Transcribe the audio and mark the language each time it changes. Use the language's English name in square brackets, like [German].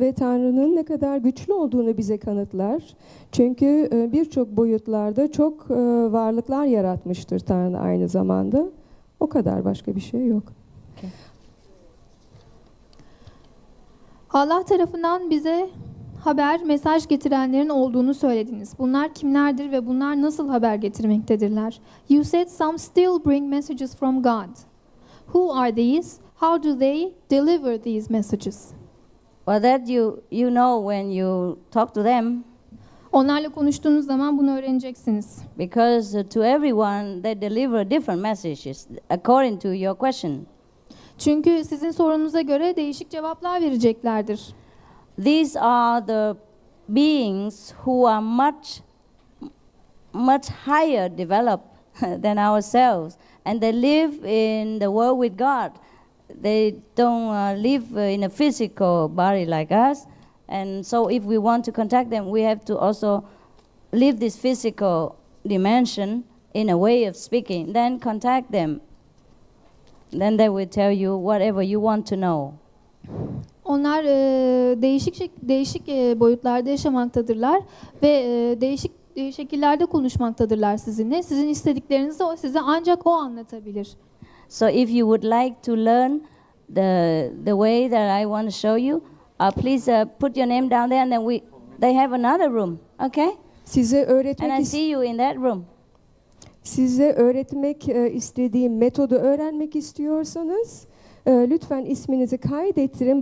[Turkish] Ve Tanrı'nın ne kadar güçlü olduğunu bize kanıtlar. Çünkü birçok boyutlarda çok varlıklar yaratmıştır Tanrı aynı zamanda. O kadar, başka bir şey yok. [English] Okay. [Turkish] Allah tarafından bize haber, mesaj getirenlerin olduğunu söylediniz. Bunlar kimlerdir ve bunlar nasıl haber getirmektedirler? [English] You said some still bring messages from God. Who are these? How do they deliver these messages? Well, that you know when you talk to them. [Turkish] Onlarla konuştuğunuz zaman bunu öğreneceksiniz. [English] Because to everyone they deliver different messages according to your question. [Turkish] Çünkü sizin sorunuza göre değişik cevaplar vereceklerdir. [English] These are the beings who are much higher developed than ourselves, and they live in the world with God. They don't live in a physical body like us, and so if we want to contact them, we have to also leave this physical dimension in a way of speaking, then contact them. Then they will tell you whatever you want to know. [Turkish] Onlar değişik boyutlarda yaşamaktadırlar ve değişik şekillerde konuşmaktadırlar sizinle. Sizin istediklerinizi o size ancak o anlatabilir. [English] So if you would like to learn the way that I want to show you, please put your name down there and then they have another room, okay? [Turkish] Size öğretmek. [English] And I see you in that room. [Turkish] Size öğretmek istediğim metodu öğrenmek istiyorsanız lütfen isminizi kaydettirin.